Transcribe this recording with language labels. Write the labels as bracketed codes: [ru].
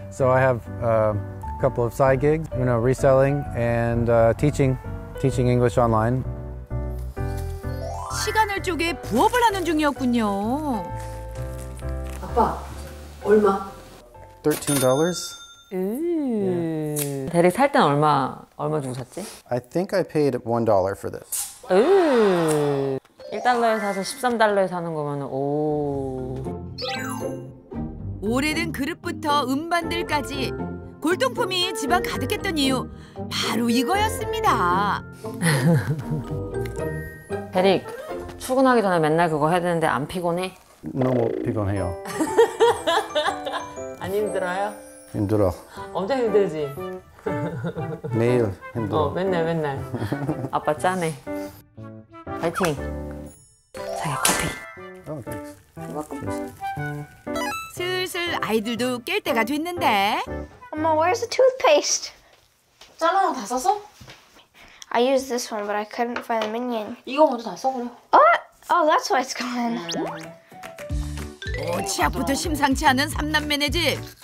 [en] So I have a couple of side gigs, you know, reselling and teaching English online. [ko] 시간을 쪼개 부업을 하는 중이었군요. 아빠, 얼마? [en] $13. [ko] 응. 대리 살 땐 얼마 주고 샀지? [en] I think I paid $1 for this. [ko] 1달러에 사서 13달러에 사는 거면 오. 올해는 그릇부터 음반들까지 골동품이 집안 가득했던 이유 바로 이거였습니다. 데릭, 출근하기 전에 맨날 그거 해야 되는데 안 피곤해? 너무 피곤해요. 안 힘들어요? 힘들어. 엄청 힘들지? 매일 힘들어. 맨날. 아빠 짠해. 파이팅. 자기 커피. [en] Thanks. [ko] 슬슬 아이들도 깰 때가 됐는데. 엄마, [en] where's the toothpaste? [ko] 짠한 거 다 썼어? [en] I used this one, but I couldn't find the minion. [ko] 이거 먼저 다 써버려. [en] Oh, that's why it's gone. [ko] 오, 치약부터 심상치 않은 삼남매네 집.